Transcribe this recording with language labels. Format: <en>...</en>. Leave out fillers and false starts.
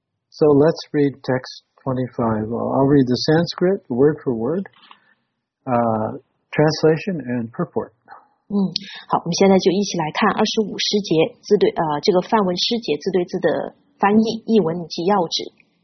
<en>So let's read text 25. I'll read the Sanskrit word for word, translation and purport.</en> <zh>好，我们现在就一起来看25诗节字对这个梵文诗节字对字的翻译译文及要旨。</zh>